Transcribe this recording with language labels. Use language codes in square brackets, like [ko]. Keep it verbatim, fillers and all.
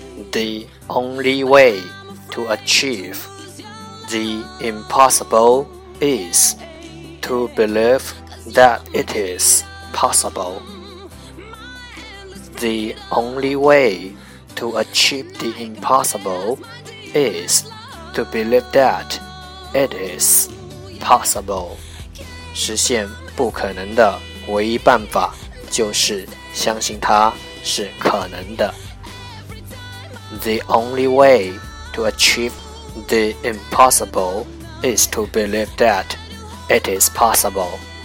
[en] The only way to achieve the impossible is to believe that it is possible. The only way to achieve the impossible is to believe that. It is possible. [zh] 实现不可能的唯一办法就是相信它是可能的。 [en] The only way to achieve the impossible is to believe that it is possible.